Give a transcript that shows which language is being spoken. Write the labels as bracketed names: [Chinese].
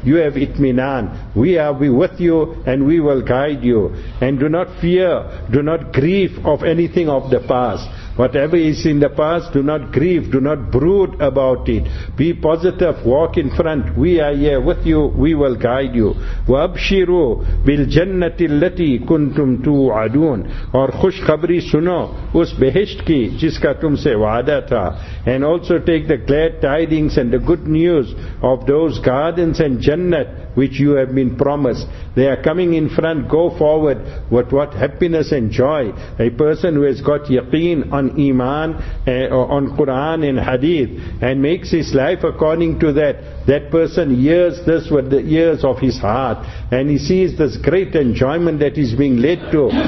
[English] You have itminan. We are with you and we will guide you. And do not fear, do not grieve of anything of the past. Whatever is in the past, do not grieve, do not brood about it. Be positive, walk in front. We are here with you, we will guide you. [Arabic] وَأَبْشِرُوا بِالْجَنَّةِ الَّتِي كُنْتُمْ تُوْعَدُونَ [Urdu] اور خوش خبری سنو اس بہشت کی جس کا تم سے وعدہ تھا. [English] And also take the glad tidings and the good news of those gardens and jannat which you have been promised. They are coming in front, go forward. What happiness and joy. A person who has got yaqeen on iman, on Quran and hadith, and makes his life according to that, that person hears this with the ears of his heart, and he sees this great enjoyment that he's being led to.